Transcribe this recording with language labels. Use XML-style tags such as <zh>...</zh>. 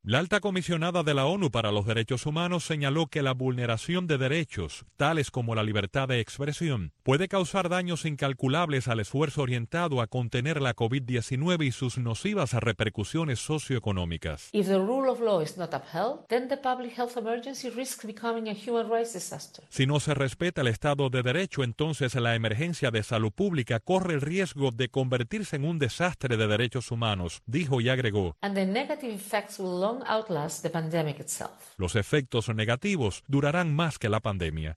<es>La alta comisionada de la ONU para los Derechos Humanos señaló que la vulneración de derechos, tales como la libertad de expresión, puede causar daños incalculables al esfuerzo orientado a contener la COVID-19 y sus nocivas repercusiones socioeconómicas.</es> <en>If the rule of law is not upheld, then the public health emergency risks becoming a human rights disaster.</en> <es>Si no se respeta el Estado de Derecho, entonces la emergencia de salud pública corre el riesgo de convertirse en un desastre de derechos humanos, dijo y agregó.</es> <en>And the negative effects will long outlast the pandemic itself.</en> <es>Los efectos negativos durarán más que la pandemia.</es>